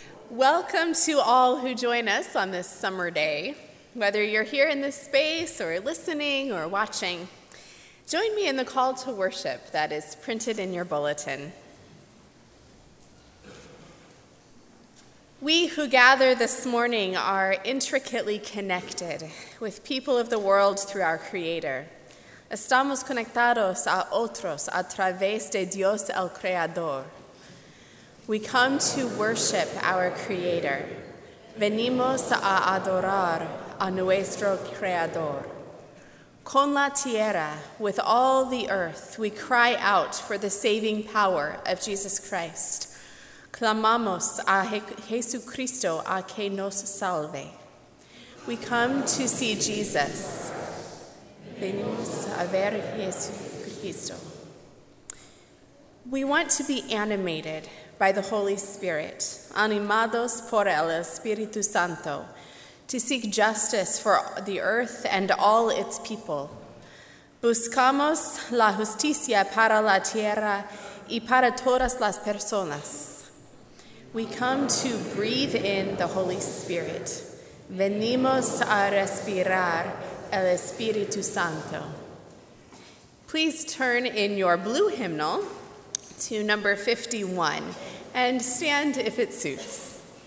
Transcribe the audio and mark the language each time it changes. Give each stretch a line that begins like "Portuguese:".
English: Welcome to all who join us on this summer day, whether you're here in this space or listening or watching. Join me in the call to worship that is printed in your bulletin. We who gather this morning are intricately connected with people of the world through our Creator.
Spanish: Estamos conectados a otros a través de Dios el Creador.
English: We come to worship our Creator.
Spanish: Venimos a adorar a nuestro Creador. Con la tierra,
English: with all the earth, we cry out for the saving power of Jesus Christ.
Spanish: Clamamos a Jesucristo a que nos salve.
English: We come to see Jesus.
Spanish: Venimos a ver Jesucristo.
English: We want to be animated by the Holy Spirit,
Spanish: animados por el Espíritu Santo,
English: to seek justice for the earth and all its people.
Spanish: Buscamos la justicia para la tierra y para todas las personas.
English: We come to breathe in the Holy Spirit.
Spanish: Venimos a respirar el Espíritu Santo.
English: Please turn in your blue hymnal to number 51 and stand if it suits.